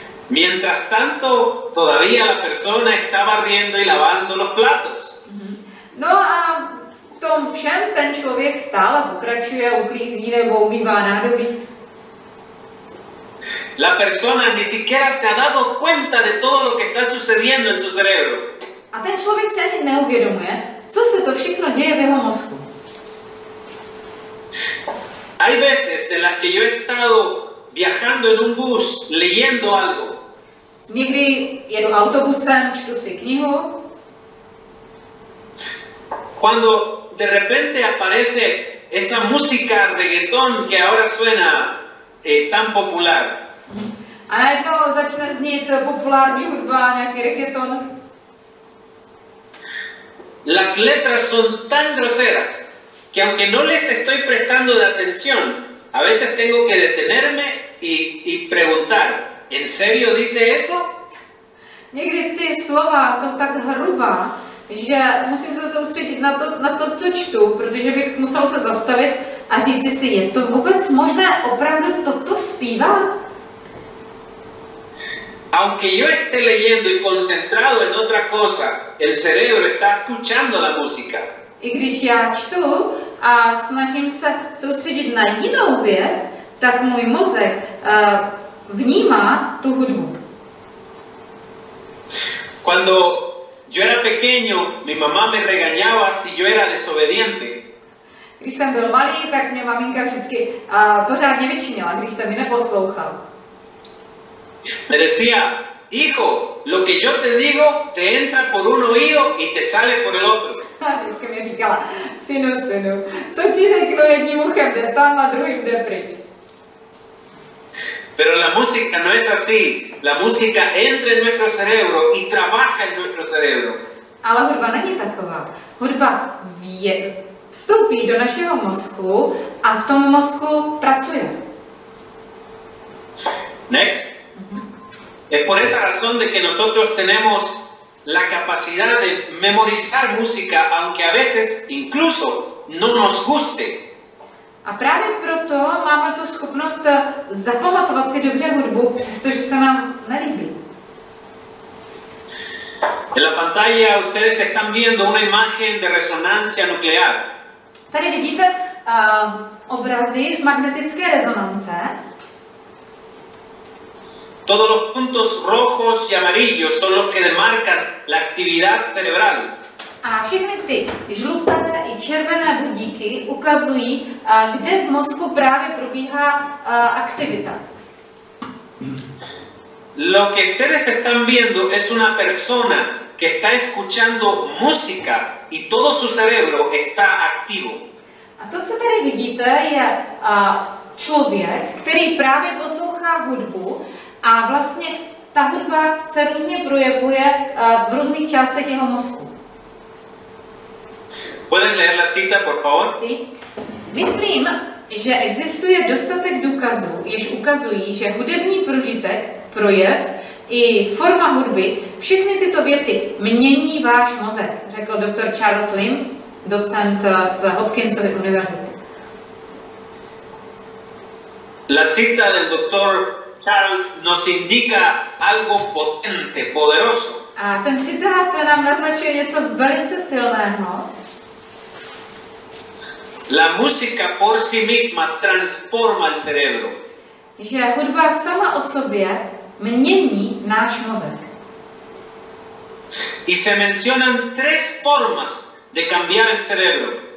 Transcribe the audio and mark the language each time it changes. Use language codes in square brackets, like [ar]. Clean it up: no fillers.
[es] Mientras tanto, todavía la persona estaba riendo y lavando los platos. [cs] No a v tom všem ten člověk stále pokračuje, uklízí nebo umývá nádobí. [es] La persona ni siquiera se ha dado cuenta de todo lo que está sucediendo en su cerebro. [cs] A ten člověk se ani neuvědomuje, co se to všechno děje v jeho mozku. [es] Hay veces en las que yo he estado viajando en un bus, leyendo algo. [cs] Někdy jedu autobusem, čtu si knihu. [es] Cuando de repente aparece esa música reggaetón que ahora suena tan popular. [cs] A najednou začne znít populární hudba, nějaký reggaeton. [es] Las letras son tan groseras que aunque no les estoy prestando de atención, a veces tengo que detenerme y preguntar, ¿en serio dice eso? [cs] Někdy ty slova jsou tak hrubá, že musím se soustředit na to, co čtu, protože bych musel se zastavit a říci si, je to vůbec možné opravdu toto zpívá? [es] Aunque yo esté leyendo y concentrado en otra cosa, el cerebro está escuchando la música. [cs] I když já čtu a snažím se soustředit na jinou věc, tak můj mozek vnímá tu hudbu. [es] Cuando yo era pequeño, mi mamá me regañaba si yo era desobediente. [cs] Když jsem byl malý, tak mě maminka vždycky pořádně vyčinila, když jsem ji neposlouchal. [es] Me decía, hijo, lo que yo te digo te entra por un oído y te sale por el otro. [cs] A vždycky mi říkala, synu, co ti řeknu jedním uchem, jde tam a druhým jde pryč. [es] Pero la música no es así. La música entra en nuestro cerebro y trabaja en nuestro cerebro. [cs] Ale hudba není taková. Hudba vstoupí do našeho mozku a v tom mozku pracuje. [en] Next. [es] Es por esa razón de que nosotros tenemos la capacidad de memorizar música, aunque a veces incluso no nos guste. [cs] A právě proto máme tu schopnost zapamatovat si dobře hudbu, přestože se nám nelíbí. [es] En la pantalla ustedes están viendo una imagen de resonancia nuclear. [cs] Tady vidíte obrazy z magnetické rezonance. [es] Todos los puntos rojos y amarillos son los que demarcan la actividad cerebral. [cs] A všechny ty žluté i červené budíky ukazují, kde v mozku právě probíhá aktivita. [es] Lo que ustedes están viendo es una persona que está escuchando música y todo su cerebro está activo. [cs] A to, co tady vidíte, je člověk, který právě poslouchá hudbu a vlastně ta hudba se různě projevuje v různých částech jeho mozku. [es] ¿Puedes leer la cita, por favor? Sí. [cs] Myslím, že existuje dostatek důkazů, jež ukazují, že hudební prožitek, projev i forma hudby, všechny tyto věci mění váš mozek, řekl doktor Charles Lim, docent z Hopkinsovy univerzity. [es] La cita del doctor Charles nos indica algo potente, poderoso. [cs] A ten citát nám naznačuje něco velice silného. [es] La música por sí misma transforma el cerebro. [cs] Že hudba sama o sobě mění náš mozek. [es] Y se mencionan tres formas de cambiar el cerebro.